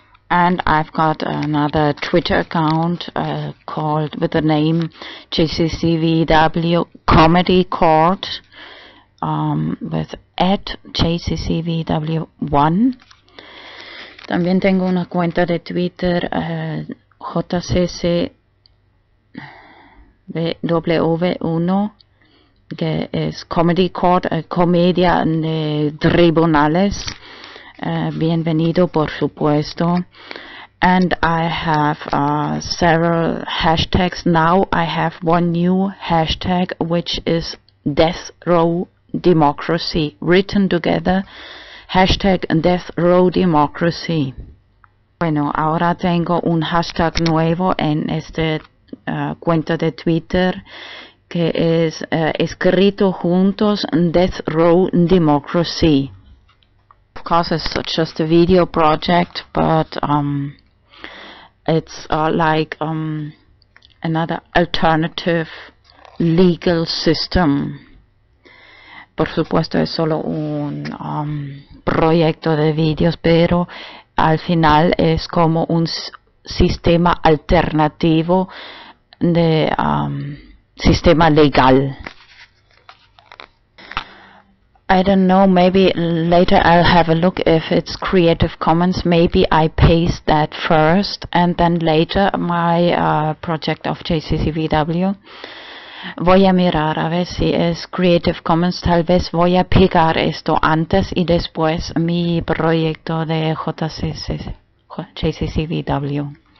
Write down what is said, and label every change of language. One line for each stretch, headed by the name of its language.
English: And I've got another Twitter account called with the name JCCVW Comedy Court with @JCCVW1.
Spanish: También tengo una cuenta de Twitter JCCVW1 que es Comedy Court, Comedia de Tribunales. Bienvenido, por supuesto.
English: And I have several hashtags. Now I have one new hashtag, which is Death Row Democracy, written together. Hashtag Death Row Democracy.
Spanish: Bueno, ahora tengo un hashtag nuevo en este cuenta de Twitter, que es escrito juntos Death Row Democracy.
English: Of course, it's just a video project, but it's like another alternative legal system.
Spanish: Por supuesto, es solo un proyecto de videos, pero al final es como un sistema alternativo de sistema legal.
English: I don't know, maybe later I'll have a look if it's Creative Commons. Maybe I paste that first and then later my project of JCCVW.
Spanish: Voy a mirar a ver si es Creative Commons. Tal vez voy a pegar esto antes y después mi proyecto de JCCVW.